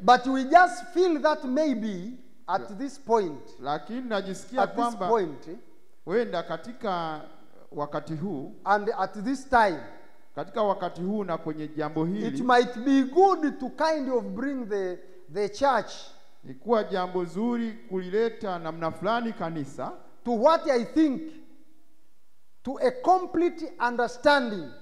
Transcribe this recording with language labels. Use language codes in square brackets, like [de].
[en] But we just feel that maybe at this point. [sw] Lakini najisikia kwamba [en] at this point. [sw] Wenda katika wakati huu. [en] And at this time. [sw] Katika wakati huu na kwenye jambo hili. [en] It might be good to kind of bring the church. [sw] Ikuwa jambo zuri kulileta namna fulani kanisa. [en] To what I think. To a complete understanding.